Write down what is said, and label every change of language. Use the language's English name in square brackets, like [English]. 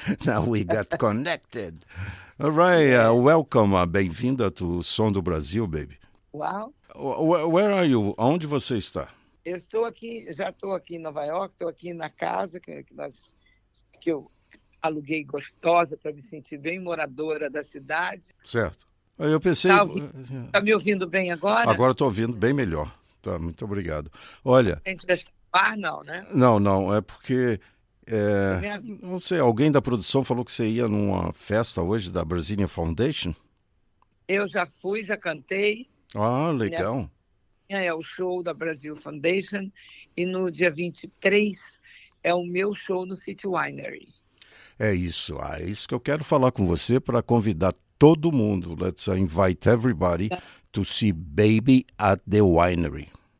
[English] Now we got connected. All right. Welcome. Bem-vinda to Som do Brasil, baby. Uau. Where are you? [Portuguese] Onde você está? Eu estou aqui, já estou aqui em Nova York, estou aqui na casa que eu aluguei gostosa para me sentir bem moradora da cidade. Certo. Eu pensei... Está me ouvindo bem agora? Agora estou ouvindo bem melhor. Tá, muito obrigado. Olha... A gente deixa o ar, não, né? Não, não, é porque... não sei, alguém da produção falou que você ia numa festa hoje da Brazilian Foundation? Eu já fui, já cantei. Ah, legal. Minha... É o show da Brazil Foundation e no dia 23 é o meu show no City Winery. É isso, ah, é isso que eu quero falar com você para convidar todo mundo. [English] Let's invite everybody to see Baby at the Winery.